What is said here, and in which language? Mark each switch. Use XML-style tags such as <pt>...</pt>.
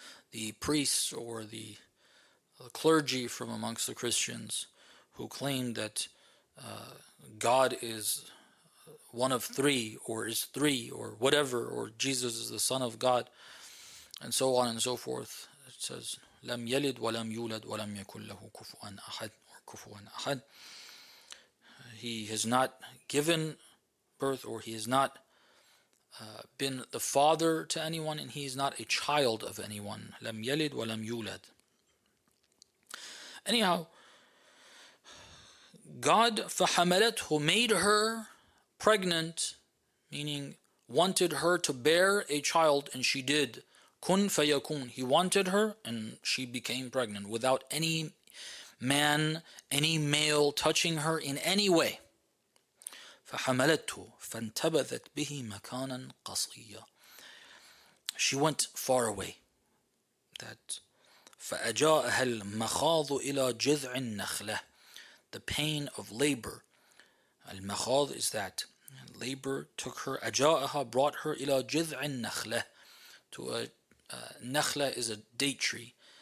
<en>The priests or the clergy from amongst the Christians who claimed that God is one of three or is three or whatever, or Jesus is the Son of God and so on and so forth. It says,</en> <ar>لَمْ يَلِدْ وَلَمْ يُولَدْ وَلَمْ يَكُلْ لَهُ كُفُوًا أَحَدٍ or كُفُوًا أَحَدٍ.</ar> <en>He has not given birth, or He has not been the father to anyone, and He is not a child of anyone.</en> <ar>لَمْ يَلِدْ وَلَمْ يُولَدْ.</ar> <en>Anyhow, God فَحَمَلَتْهُ made her pregnant, meaning wanted her to bear a child, and she did.</en> <ar>كُنْ فَيَكُونَ</ar> <en>He wanted her, and she became pregnant without any man, any male touching her in any way.</en> <ar>فَحَمَلَتْهُ فَانْتَبَذَتْ بِهِ مَكَانًا قَصِيًّا</ar> <en>She went far away.</en> <ar>That فَأَجَاءَهَا الْمَخَاضُ إِلَى جِذْعِ النَّخْلَةِ</ar> <en>The pain of labor. المخاض is that. Labor took her.</en> <ar>أَجَاءَهَا</ar> <en>brought her</en> <ar>إلى جِذْعِ النَّخْلَةِ</ar> <en>To a نَخْلَة is a date tree.</en>